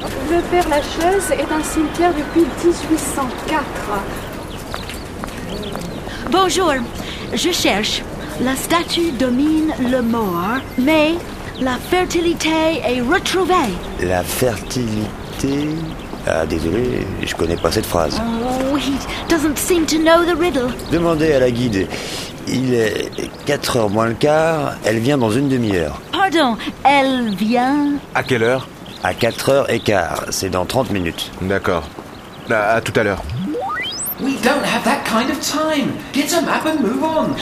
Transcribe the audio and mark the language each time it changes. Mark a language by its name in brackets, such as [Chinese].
[French] Le Père-Lachaise est un cimetière depuis 1804. Bonjour, je cherche. La statue domine le mort, mais la fertilité est retrouvée. La fertilité... Ah, désolé, je connais pas cette phrase. [English] Oh, he doesn't seem to know the riddle. [French] Demandez à la guide. Il est 4h moins le quart, elle vient dans une demi-heure. Pardon, elle vient... À quelle heure? À 4h et quart, c'est dans 30 minutes. D'accord, à tout à l'heure. [English] We don't have that kind of time. Get a map and move on.